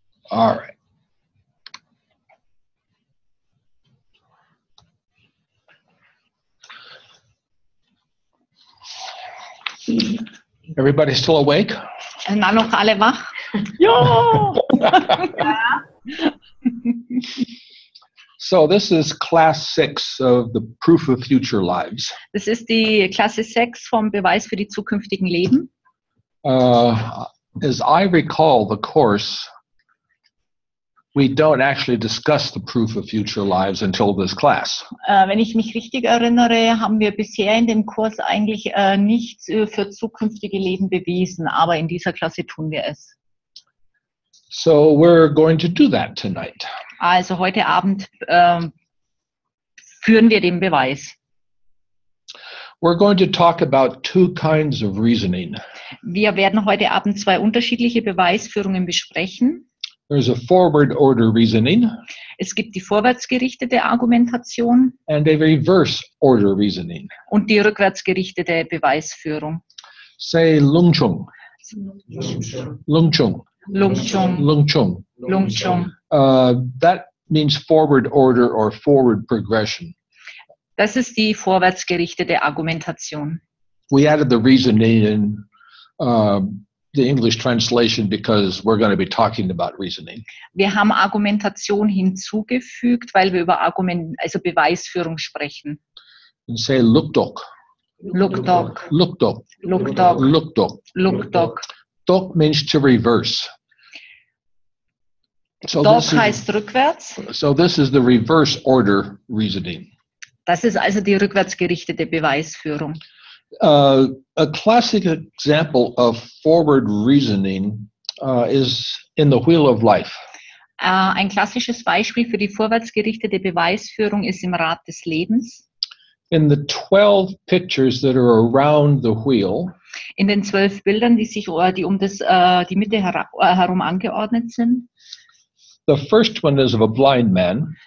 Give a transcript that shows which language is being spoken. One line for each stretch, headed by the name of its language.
English: All right. Everybody still awake?
German: Na noch alle wach? Jo!
English: So this is class 6 of the Proof of Future Lives.
German: Das ist die Klasse 6 vom Beweis für die zukünftigen Leben.
English: As I recall the course, we don't actually discuss the proof of future lives until this class.
German: Wenn ich mich richtig erinnere, haben wir bisher in dem Kurs eigentlich nichts für zukünftige Leben bewiesen, aber in dieser Klasse tun wir es.
English: So we're going to do that tonight.
German: Also heute Abend führen wir den Beweis.
English: We're going to talk about two kinds of reasoning.
German: Wir werden heute Abend zwei unterschiedliche Beweisführungen besprechen.
English: There's a forward order reasoning.
German: Es gibt die vorwärtsgerichtete Argumentation.
English: And a reverse order reasoning.
German: Und die rückwärtsgerichtete Beweisführung.
English: Say Lungchung. Lungchung.
Tibetan: Lungchung. Lungchung. Lungchung.
English: That means forward order or forward progression.
German: Das ist die vorwärtsgerichtete Argumentation.
English: We added the reasoning in the English translation because we're going to be talking about reasoning.
German: Wir haben Argumentation hinzugefügt, weil wir über Argument, also Beweisführung sprechen.
English: And say Lukdok.
Tibetan: Lukdok. Lukdok. Lukdok. Lukdok. Lukdok.
English: Dok means to reverse.
German: So Dok heißt rückwärts.
English: So this is the reverse order reasoning.
German: Das ist also die rückwärtsgerichtete Beweisführung.
English: A classic example of forward reasoning is in the Wheel of Life.
German: Ein klassisches Beispiel für die vorwärtsgerichtete Beweisführung ist im Rad des Lebens.
English: In the 12 pictures that are around the wheel.
German: In den 12 Bildern, die sich die um das die Mitte herum angeordnet sind.
English: The first one is of a blind man.